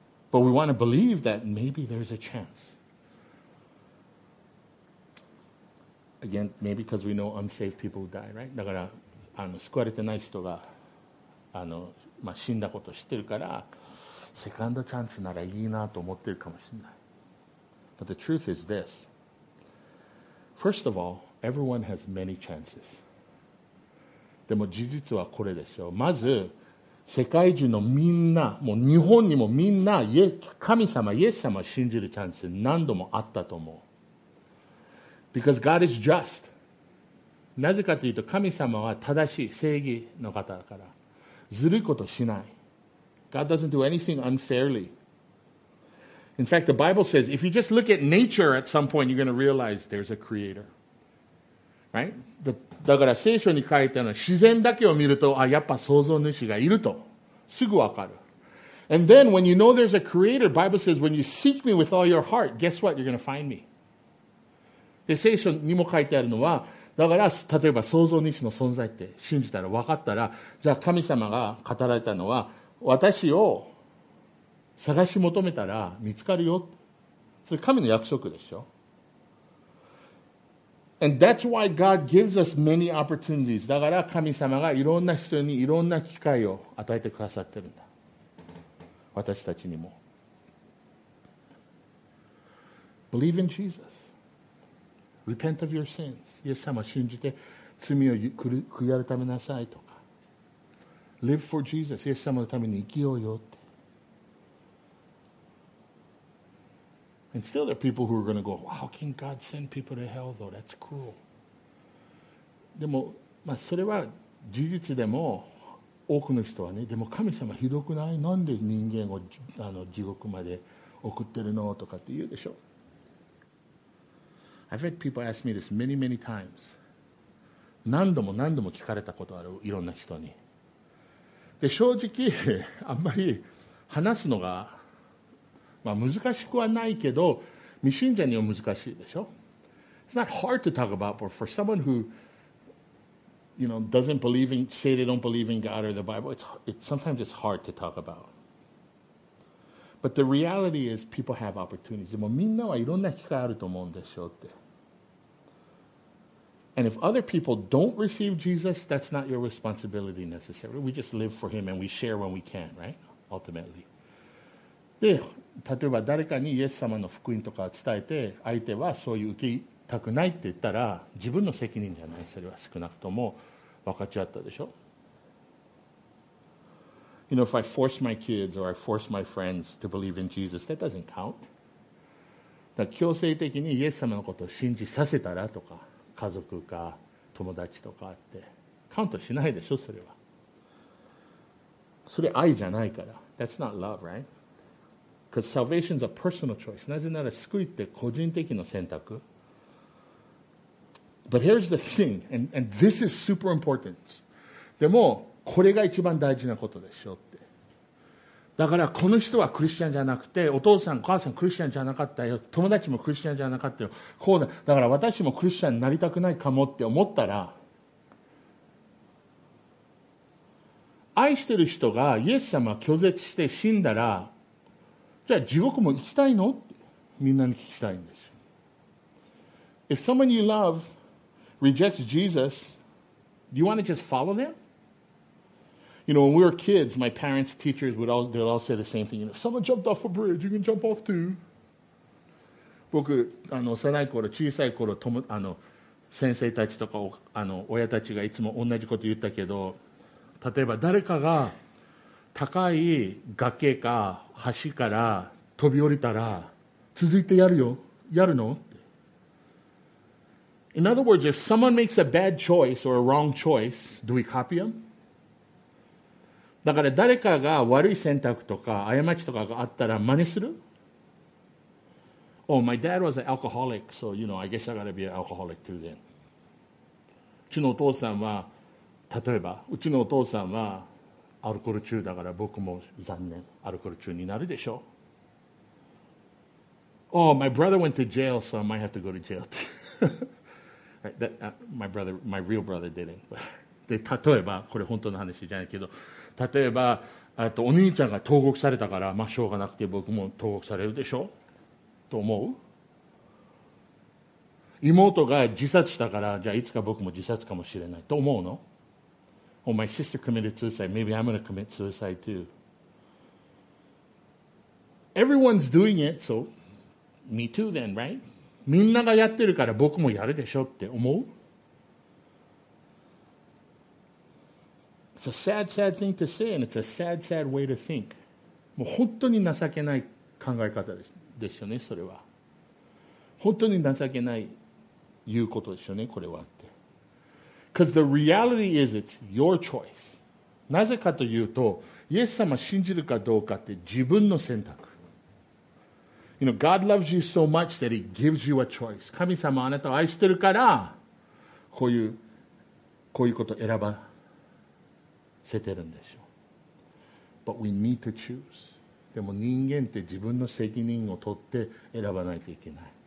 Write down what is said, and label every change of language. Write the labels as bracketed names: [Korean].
[English] But we want to believe that maybe there's a chance. Again, maybe because we know unsaved people die, right? [Japanese] だから、あの救われてない人が、あの、まあ、死んだことを知ってるから、セカンドチャンスならいいなと思ってるかもしれない。 [English] But the truth is this. First of all, everyone has many chances. [Japanese] でも事実はこれですよ。まず、世界中のみんな、もう日本にもみんな、神様、イエス様を信じるチャンス何度もあったと思う。 [English] Because God is just. [Japanese] なぜかというと、神様は正しい、正義の方だから。ずるいことしない。 [English] God doesn't do anything unfairly. In fact, the Bible says, if you just look at nature at some point, you're going to realize there's a creator. Right? [Japanese] だから聖書に書いてあるのは、自然だけを見ると、あ、やっぱ創造主がいると。すぐわかる。 [English] And then, when you know there's a creator, Bible says, when you seek me with all your heart, guess what? You're going to find me. [Japanese] で、聖書にも書いてあるのは、だから、例えば創造主の存在って信じたら、わかったら、じゃあ神様が語られたのは、私を探し求めたら見つかるよ。それ神の約束でしょ。 [English] And that's why God gives us many opportunities. [Japanese] だから神様がいろんな人にいろんな機会を与えてくださってるんだ。私たちにも。 [English] Believe in Jesus. Repent of your sins. [Japanese] イエス様を信じて罪を悔い改めなさいと。 [English] Live for Jesus. [Japanese] イエス様のために生きようよって。 [English] And still there are people who are going to go, how can God send people to hell though? That's cruel. [Japanese] でも、まあ、それは事実でも多くの人はね、でも神様ひどくない？なんで人間をあの地獄まで送ってるのとかって言うでしょ。 [English] I've had people ask me this many, many times. [Japanese] 何度も何度も聞かれたことある、いろんな人に。で正直あんまり話すのが、まあ、難しくはないけど未信者には難しいでしょ。 [English] It's not hard to talk about, but for someone who, you know, doesn't believe in, say they don't believe in God or the Bible, it's sometimes it's hard to talk about. But the reality is people have opportunities. [Japanese] でもみんなはいろんな機会あると思うんでしょって。 [English] And if other people don't receive Jesus, that's not your responsibility necessarily. We just live for him and we share when we can, right? Ultimately. [Japanese] で例えば誰かにイエス様の福音とか伝えて相手はそういう受けたくないって言ったら自分の責任じゃない。それは少なくとも分かち合ったでしょ。 [English] You know, if I force my kids or I force my friends to believe in Jesus, that doesn't count. [Japanese] だ強制的にイエス様のことを信じさせたらとか家族か友達とかってカウントしないでしょ。それはそれ愛じゃないから。 [English] That's not love, right? Because salvation is a personal choice. [Japanese] なぜなら救いって個人的な選択。 [English] But here's the thing, and this is super important. [Japanese] でも、これが一番大事なことでしょうって。だからこの人はクリスチャンじゃなくて、お父さん、母さんクリスチャンじゃなかったよ、友達もクリスチャンじゃなかったよ、こうだ、だから私もクリスチャンになりたくないかもって思ったら、愛してる人がイエス様を拒絶して死んだら、じゃあ地獄も行きたいの？ってみんなに聞きたいんです。 [English] If someone you love rejects Jesus, do you want to just follow them? You know, when we were kids, my parents, teachers, they'd all say the same thing. You know, if someone jumped off a bridge, you can jump off too. [Japanese] 僕、あの幼い頃、小さい頃、先生たちとか親たちがいつも同じこと言ったけど、例えば誰かが高い崖か橋から飛び降りたら、続いてやるよ、やるの？ [English] In other words, if someone makes a bad choice or a wrong choice, do we copy them? [Japanese] だから誰かが悪い選択とか過ちとかがあったら真似する [English] ?Oh, my dad was an alcoholic, so you know, I guess I gotta be an alcoholic too then. [Japanese] うちのお父さんは、例えば、うちのお父さんはアルコール中だから僕も残念、アルコール中になるでしょう。 [English] Oh, my brother went to jail, so I might have to go to jail too. my real brother didn't. [Japanese] で、例えば、これ本当の話じゃないけど、例えばあとお兄ちゃんが投獄されたから、まあ、しょうがなくて僕も投獄されるでしょと思う。妹が自殺したから、じゃあいつか僕も自殺かもしれないと思うの。 [English] Oh, my sister committed suicide. Maybe I'm going to commit suicide too. Everyone's doing it, so me too then, right? [Japanese] みんながやってるから僕もやるでしょって思う。 It's a sad, sad thing to say, and it's a sad, sad way to think. もう本当に情けない考え方ですよね、それは。本当に情けない言うことですよね、これはって。 [English] Because the reality is it's your choice. [Japanese] なぜかというと、イエス様を信じるかどうかって自分の選択。 [English] You know, God loves you so much that he gives you a choice. [Japanese] 神様あなたを愛してるから、こういうことを選ば。捨てるんでしょう。 [English] But we need to choose. [Japanese] でも人間って自分の責任を取って選ばないといけない。